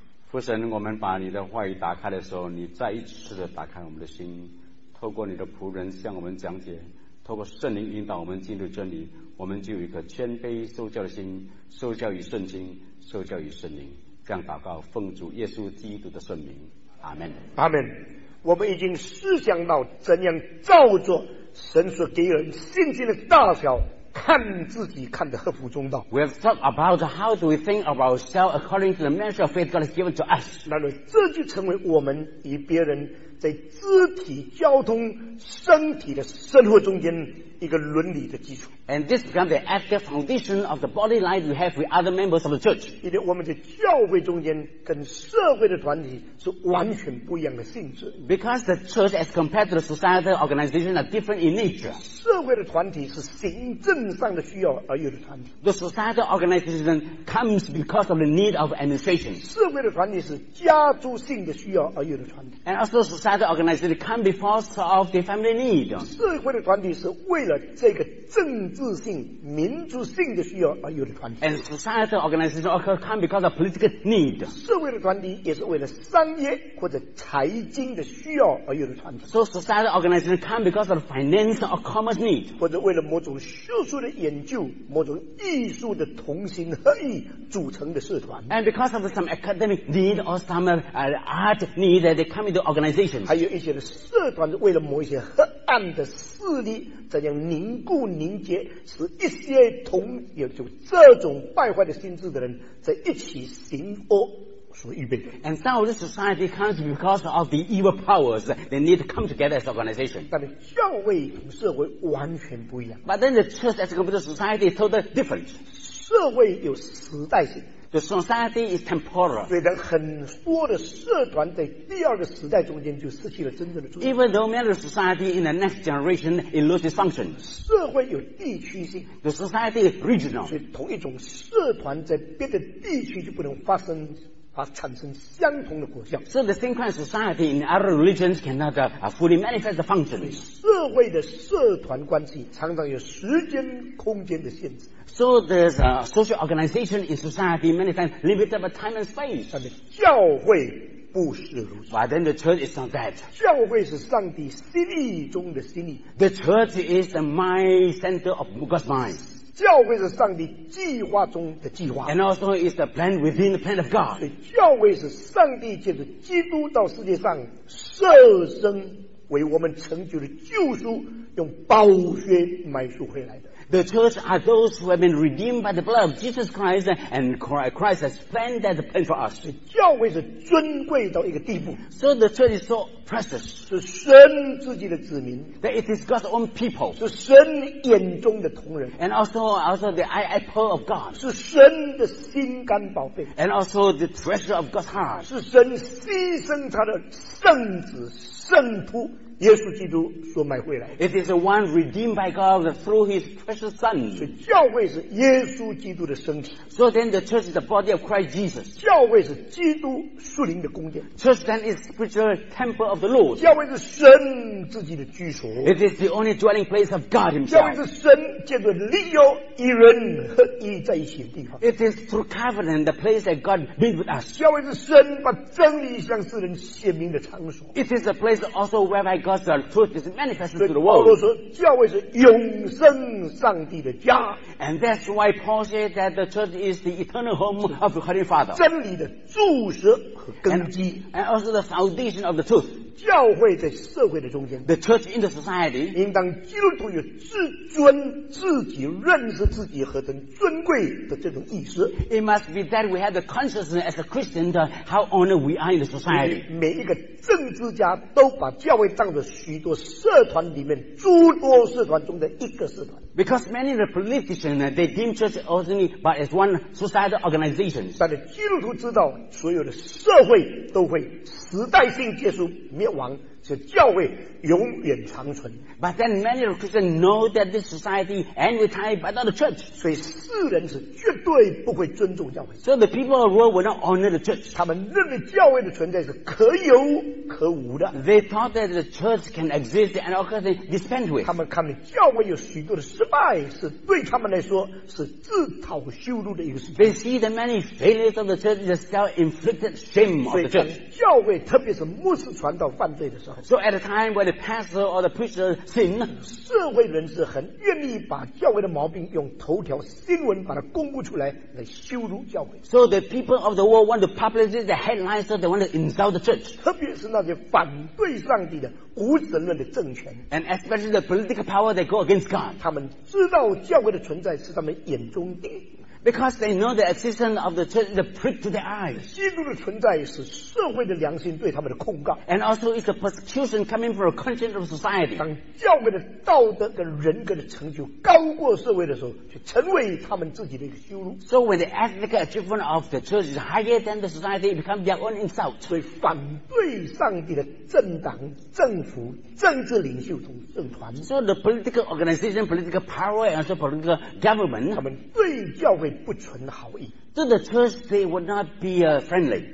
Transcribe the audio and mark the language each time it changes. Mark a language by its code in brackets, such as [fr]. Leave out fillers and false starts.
[zh] 父神，我们把你的话语打开的时候，你再一次的打开我们的心，透过你的仆人向我们讲解，透过圣灵引导我们进入真理，我们就有一个谦卑受教的心，受教于圣经，受教于圣灵。这样祷告，奉主耶稣基督的圣名，阿门。阿门。我们已经思想到怎样照着神所给人信心的大小，看自己看得合乎中道。 [en] We have talked about how do we think of ourselves according to the measure of faith God has given to us. [zh] 那么这就成为我们与别人在肢体交通、身体的生活中间一个伦理的基础。 [en] And this becomes the ethical foundation of the body life we have with other members of the church. [zh] 因为我们在教会中间跟社会的团体是完全不一样的性质。 [en] Because the church as compared to the societal organization are different in nature. [zh] 社会的团体是行政上的需要而有的团体。 [en] The societal organization comes because of the need of administration. [zh] 社会的团体是家族性的需要而有的团体。 [en] And also societal organization comes because of the family need. [zh] 社会的团体是为了这个政治性、民族性的需要而有的团体。 [en] And societal organization comes because of political need. [zh] 社会的团体也是为了商业或者财经的需要而有的团体。 [en] So societal organization comes because of finance or commerce need. [zh] 或者为了某种学术的研究、某种艺术的同心合意组成的社团。 [en] And because of some academic need or some art need, they come into organization. [zh] 还有一些的社团是为了某一些合暗的势力怎样凝固凝结，使一些同有就这种败坏的心智的人在一起行恶所预备的。 [en] And some of this society comes because of the evil powers they need to come together as organization. [zh] 但是教会与社会完全不一样。 [en] But then the church as compared to society is totally different. [zh] 社会有时代性。 [en] The society is temporal. [zh] 虽然很多的社团在第二个时代中间就失去了真正的作用。 [en] Even though many society in the next generation it loses function. [zh] 社会有地区性。 [en] The society is regional. [zh] 所以同一种社团在别的地区就不能发生而产生相同的果效。 [en] So the same kind of society in other religions cannot fully manifest the function. [zh] 所以社会的社团关系常常有时间空间的限制。 [en] So the social organization in society many times limited by time and space. [zh] 但是教会不是如此。 [en] But then the church is not that. [zh] 教会是上帝心意中的心意。 [en] The church is the mind center of God's mind. [zh] 教会是上帝计划中的计划。 [en] And also is the plan within the plan of God. [zh] 所以教会是上帝借着基督到世界上舍身为我们成就的救赎，用宝血买赎回来的。 [en] The church are those who have been redeemed by the blood of Jesus Christ and Christ has planned that plan for us. [zh] 教会是尊贵到一个地步。 [en] So the church is so precious. [zh] 是神自己的子民。 [en] That it is God's own people. [zh] 是神眼中的同人。 [en] And also the apple of God. [zh] 是神的心肝宝贝。 [en] And also the treasure of God's heart. [zh] 是神牺牲他的圣子圣徒耶稣基督所买回来。 [en] It is the one redeemed by God through His precious Son. [zh] 所以教会是耶稣基督的身体。 [en] So then the church is the body of Christ Jesus. [zh] 教会是基督属灵的宫殿。 [en] Church then is spiritual temple of the Lord. [zh] 教会是神自己的居所。 [en] It is the only dwelling place of God Himself. [zh] 教会是神借着立约与人合一在一起的地方。 [en] It is through covenant the place that God meets with us. [zh] 教会是神把真理向世人显明的场所。 [en] It is the place also whereby God's truth is manifested to the world. [zh] 保罗说教会是永生上帝的家。 [en] And that's why Paul said that the church is the eternal home of the Holy Father. [zh] 真理的柱石和根基。 [en] And also the foundation of the truth. [zh] 教会在社会的中间。 [en] The church in the society. [zh] 应当基督徒有自尊自己认识自己何等尊贵的这种意识。 [en] It must be that we have the consciousness as a Christian of how honored we are in the society. [zh] 每一个政治家都把教会当着许多社团里面诸多社团中的一个社团。 [en] Because many of the politicians they deem church only but as one society organization. [zh] 但是基督徒知道，所有的社会都会时代性结束灭亡，这教会永远长存。 [en] But then many of the Christians know that this society end with time but not the church. [zh] 所以世人是绝对不会尊重教会。 [en] So the people of the world will not honor the church. [zh] 他们认为教会的存在是可有可无的。 [en] They thought that the church can exist and of course they dispense with. [zh] 他们看到教会有许多的失败，是对他们来说是自讨羞辱的一个事情。 [en] They see the many failures of the church is a self-inflicted shame of the church. [zh] 所以教会特别是牧师传道犯罪的时候。 [en] So at a time when the pastor or the preacher sin, [zh] 社会人士很愿意把教会的毛病用头条新闻把它公布出来，来羞辱教会。 [en] So the people of the world want to publicize the headlines, so they want to insult the church. [zh] 特别是那些反对上帝的无神论的政权。 [en] And especially the political power that go against God. [zh] 他们知道教会的存在是他们眼中钉。 [en] Because they know the existence of the church is a prick to their eyes. [zh] 基督的存在是社会的良心对他们的控告。 [en] And also it's a persecution coming from a conscience of society. [zh] 当教会的道德跟人格的成就高过社会的时候，就成为他们自己的一个羞辱。 [en] So when the ethnic achievement of the church is higher than the society, it becomes their own insult. [zh] 所以反对上帝的政党、政府、政治领袖同政团。 [en] So the political organization, political power, and also political government. [zh] 他们对教会不存好意。 [en] So the church they would not be friendly.